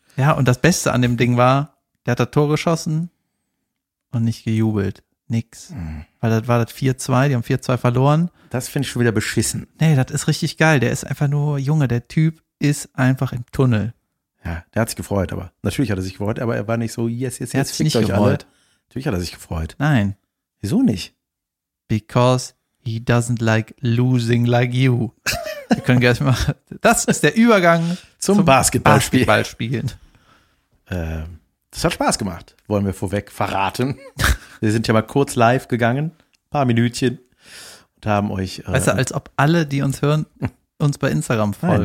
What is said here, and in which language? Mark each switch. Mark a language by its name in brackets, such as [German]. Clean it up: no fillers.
[German] Ja, und das Beste an dem Ding war, der hat das Tor geschossen und nicht gejubelt. Nix. Weil das war das 4-2, die haben 4-2 verloren. Das finde ich schon wieder beschissen. Nee, das ist richtig geil. Der ist einfach nur, Junge, der Typ ist einfach im Tunnel. Ja, der hat sich gefreut, aber natürlich hat er sich gefreut, aber er war nicht so, [English] yes, yes, yes, [German] fickt euch alle. Natürlich hat er sich gefreut. Nein. Wieso nicht? [English] Because he doesn't like losing like you. [German] Wir können gleich mal, das ist der Übergang zum Basketballspiel. Basketballspielen. Das hat Spaß gemacht, wollen wir vorweg verraten. Wir sind ja mal kurz live gegangen, ein paar Minütchen, und haben euch. Besser als ob alle, die uns hören, uns bei Instagram folgen.